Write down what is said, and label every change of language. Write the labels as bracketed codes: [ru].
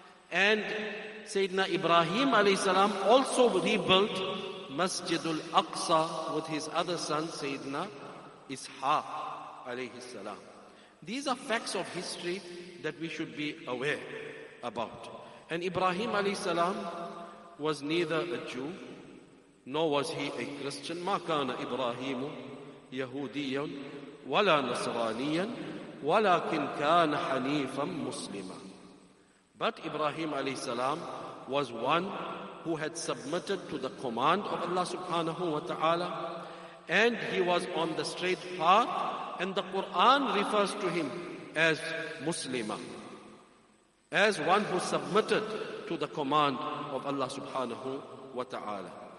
[en] And Sayyidina Ibrahim alayhi salam also rebuilt Masjid al-Aqsa with his other son Sayyidina Ishaq alayhi salam. These are facts of history that we should be aware about. And Ibrahim alayhi salam was neither a Jew nor was he a Christian. [ar] ما كان إبراهيم يهوديا ولا نصرانيا ولكن كان حنيفا مسلما. [en] But Ibrahim alayhi salam was one who had submitted to the command of Allah subhanahu wa ta'ala, and he was on the straight path, and the Quran refers to him as Muslima, as one who submitted to the command of Allah subhanahu wa ta'ala.